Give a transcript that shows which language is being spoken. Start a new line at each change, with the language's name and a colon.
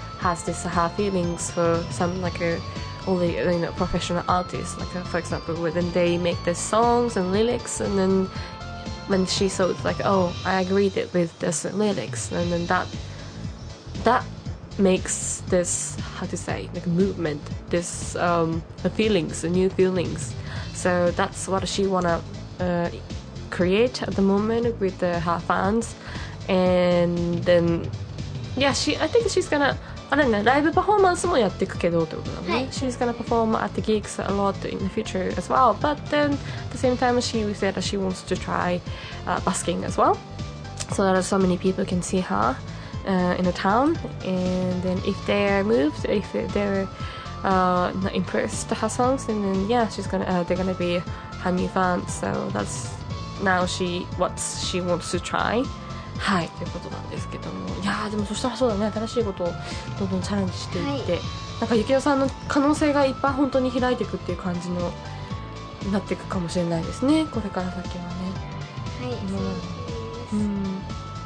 English: Has this her feelings for some like all the you know, professional artists, like for example, when they make the songs and lyrics, and then when she saw it, like, oh, I agreed it with this lyrics, and then that makes this, how to say, like movement, this feelings, new feelings. So that's what she wanna create at the moment with her fans, and then yeah, I think she's gonna.
Japanese: あれね、ライブパフォーマンスもやっていくけどってことだね、はい、
English: She's gonna perform at the gigs a lot in the future as well. But then at the same time she said that she wants to try busking as well. So that so many people can see her in the town. And then if they are moved, if they're not impressed her songs, and then yeah, they're gonna be her new fans. So that's now what she wants to try.
Japanese: はい、ということなんですけども、いやでもそしたらそうだね、新しいことをどんどんチャレンジしていって、はい、なんかゆきよさんの可能性がいっぱい本当に開いていくっていう感じのになっていくかもしれないですね、これから先はね。はい、うん、そうです。